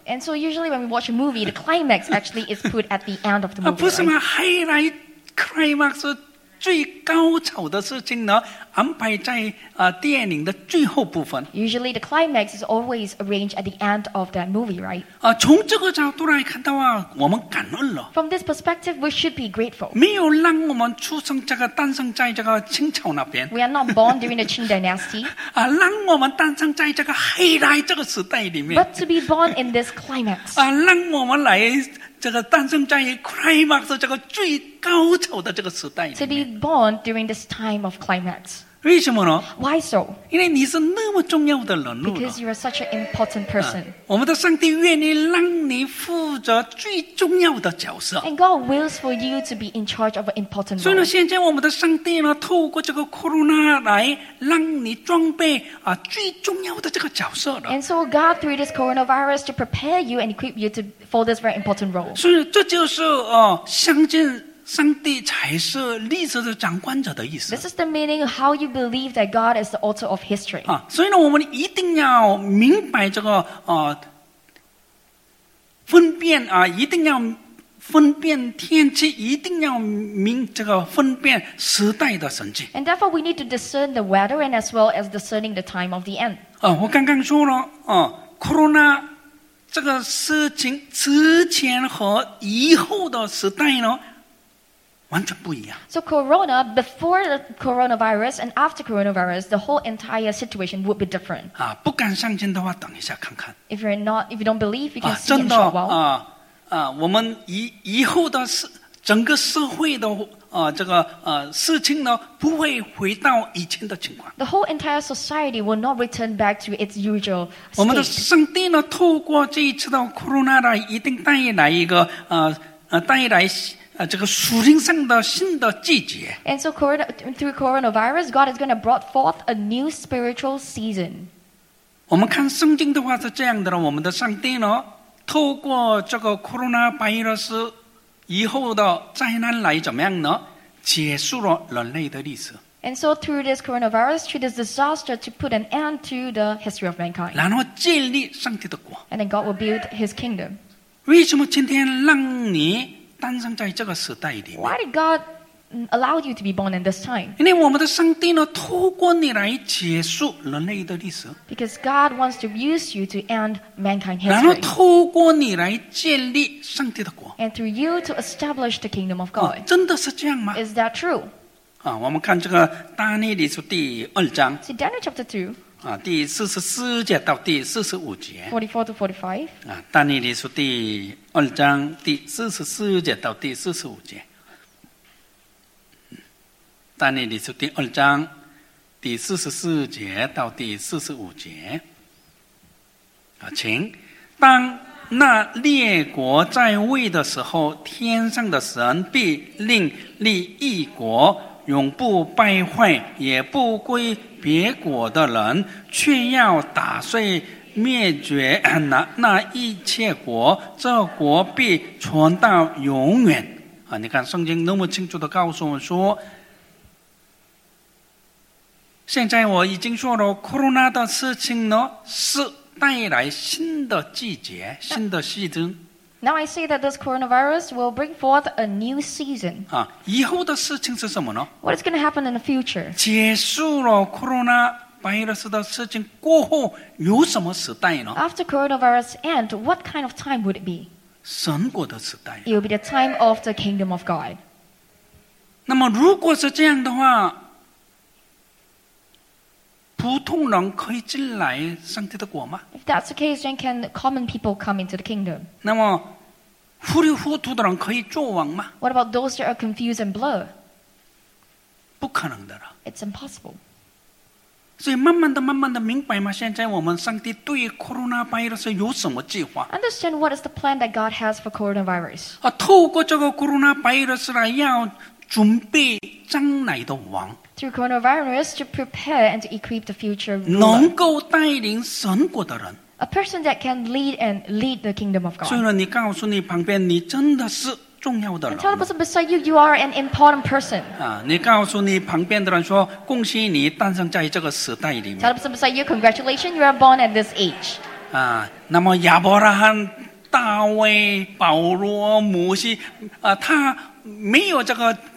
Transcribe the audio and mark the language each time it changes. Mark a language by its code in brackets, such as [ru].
[en] And so usually when we watch a movie, the climax actually is put at the end of the movie. [zh] 不是吗？ [en] Highlight, climax, [zh] 最高潮的事情呢安排在、电影的最后部分。 [en] Usually the climax is always arranged at the end of that movie, right? [zh] 从这个角度来看到啊，我们感恩了。 [en] From this perspective, we should be grateful. [zh] 没有让我们出生这个诞生在这个清朝那边。 [en] We are not born during the Qing Dynasty. [zh] 让我们诞生在这个黑暗这个时代里面。 [en] But to be born in this climax. [zh] 让我们来这个诞生在 climax 这个最高潮的这个时代。 [en] To be born during this time of climax. [zh] 为什么呢 [en] ？Why so？ [zh] 因为你是那么重要的人物。 [en] Because you are such an important person.、 [zh] 我们的上帝愿意让你负责最重要的角色。 [en] And God wills for you to be in charge of an important role. [zh] 所以呢，现在我们的上帝呢，透过这个 corona 来让你装备、最重要的这个角色的。 [en] And so God through this coronavirus to prepare you and equip you to for this very important role. [zh] 所以这就是相信。上帝才是历史的掌管者的意思。 [en] This is the meaning of how you believe that God is the author of history. [zh] 所以呢，我们一定要明白这个分辨一定要分辨天气，一定要明这个分辨时代的神迹。 [en] And therefore, we need to discern the weather and as well as discerning the time of the end. [zh] 我刚刚说了corona。这个事情之前和以后的时代呢，完全不一样。 [en] So Corona before the coronavirus and after coronavirus, the whole entire situation would be different. [zh] 不敢相信的话，等一下看看。 [en] If you're not, if you don't believe, you can see in short while. [zh] 我们以后的是整个社会的这个事情呢，不会回到以前的情况。 [en] The whole entire society will not return back to its usual state. [zh] 我们的上帝呢，透过这一次的 corona 来，一定带来一个带来这个属灵上的新的季节。 [en] And so, through coronavirus, God is going to brought forth a new spiritual season. [zh] 我们看圣经的话是这样的了，我们的上帝呢，透过这个 corona virus。以后的灾难来怎么样呢？结束了人类的历史。 [en] And so through this coronavirus, through this disaster, to put an end to the history of mankind. [zh] 然后建立上帝的国。 [en] And then God will build His kingdom. [zh] 为什么今天让你诞生在这个时代里面 [en] ？Why did God allow you to be born in this time? [zh] 因为我们的上帝呢，透过你来结束人类的历史。 [en] Because God wants to use you to end mankind's history. [zh] 然后透过你来建立上帝的国。 [en] And through you to establish the kingdom of God. [zh] 真的是这样吗 [en] ？Is that true? [zh] 我们看这个大尼利书第二章。 [en] See Daniel chapter two. [zh] 第44节到第45节。 [en] 44 to 45. [zh] 大尼利书第二章第44节到第45节。但你的书第二章第44节到第45节请当那列国在位的时候天上的神必另立一国永不败坏也不归别国的人却要打碎灭绝那一切国这国必存到永远你看圣经那么清楚地告诉我们说现在我已经说了 ，corona 的事情呢，是带来新的季节、新的 season。 [en] Now I say that this coronavirus will bring forth a new season. [zh] 以后的事情是什么呢 [en] ？What is going to happen in the future？ [zh] 结束了 corona virus 的事情过后，有什么时代呢 [en] ？After coronavirus end, what kind of time would it be？ [zh] 神国的时代。 [en] It will be the time of the kingdom of God. [zh] 那么，如果是这样的话。普通人可以进来上帝的国吗 [en] ？If that's the case, then can common people come into the kingdom? [zh] 那么糊里糊涂的人可以做王吗 [en] ？What about those that are confused and blur? [zh] 不可能的了。 [en] It's impossible. [zh] 所以慢慢的、慢慢的明白吗？现在我们上帝对 coronavirus 有什么计划 [en] ？Understand what is the plan that God has for coronavirus? [zh] 透过这个 coronavirus 来要准备将来的王。 [en] Through coronavirus to prepare and to equip the future ruler, [zh] 能够带领神国的人 [en] a person that can lead and lead the kingdom of God. [zh] 所以呢，你告诉你旁边，你真的是重要的人。 [en] Tell the person beside you, you are an important person. [zh] 你告诉你旁边的人说，恭喜你诞生在这个时代里面。 [en] Tell the person beside you, congratulations, you are born at this age. [zh] 那么亚伯拉罕、大卫、保罗、摩西，他没有这个。